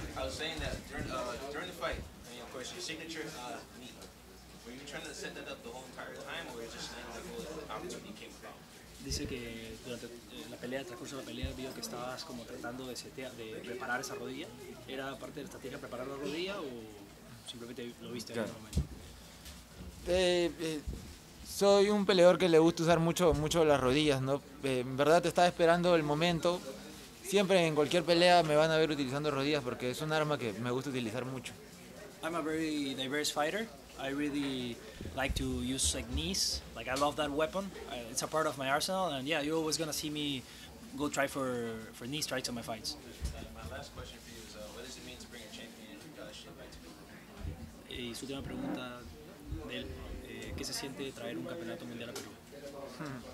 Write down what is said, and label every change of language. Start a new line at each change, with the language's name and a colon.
English: I was saying that during the fight, I mean, of course, your signature knee, were you trying to set that up the whole entire time, or just like the whole opportunity came about?
Spanish: Dice que durante la pelea, el transcurso de la pelea, vio que estabas como tratando de reparar esa rodilla. ¿Era parte de la estrategia preparar la rodilla o simplemente lo viste claro en ese momento? Soy un peleador que le gusta usar mucho las rodillas, ¿no? En verdad te estaba esperando el momento. Siempre en cualquier pelea me van a ver utilizando rodillas porque es un arma que me gusta utilizar mucho.
English: I'm a very diverse fighter. I really like to use like knees. Like I love that weapon. It's a part of my arsenal. And yeah, you're always gonna see me go try for knee strikes on my fights. My last question for you is, what does it mean to bring a champion into
Spanish: Perú? Y su última pregunta de él, ¿qué se siente traer un campeonato mundial a Perú?